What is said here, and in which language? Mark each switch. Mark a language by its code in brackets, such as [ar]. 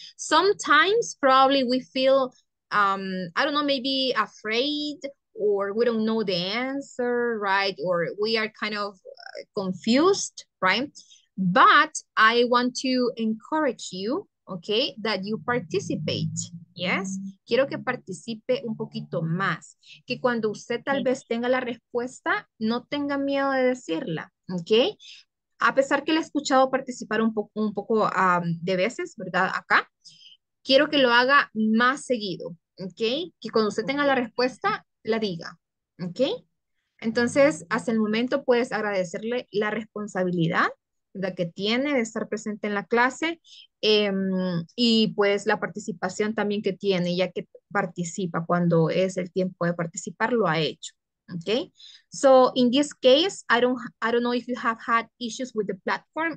[en] Sometimes probably we feel, I don't know, maybe afraid, or we don't know the answer, right? Or we are kind of confused, right? But I want to encourage you, okay, that you participate, yes? [es] Quiero que participe un poquito más. Que cuando usted tal vez tenga la respuesta, no tenga miedo de decirla, okay? A pesar que le he escuchado participar un poco de veces, ¿verdad? Acá, quiero que lo haga más seguido, okay? Que cuando usted tenga la respuesta, la diga, okay? Entonces, hasta el momento puedes agradecerle la responsabilidad la que tiene de estar presente en la clase, y pues la participación también que tiene, ya que participa cuando es el tiempo de participar, lo ha hecho. [en] Okay, so in this case, I don't know if you have had issues with the platform.